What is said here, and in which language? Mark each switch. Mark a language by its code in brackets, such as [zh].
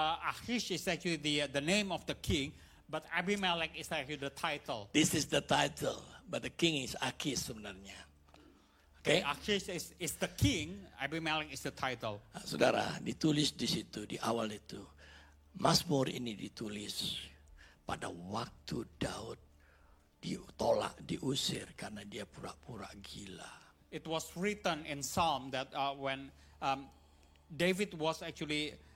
[en] Achish is actually the name of the king, but Abimelek is actually the title. This is the title, but the king is Achish [id] sebenarnya. Okay? [en] Achish is the king, Abimelek is the title. [id] Saudara, ditulis di situ, di awal itu. Mazmur ini ditulis pada waktu Daud ditolak, diusir karena dia pura-pura gila. [en] It was written in Psalm that when David was actually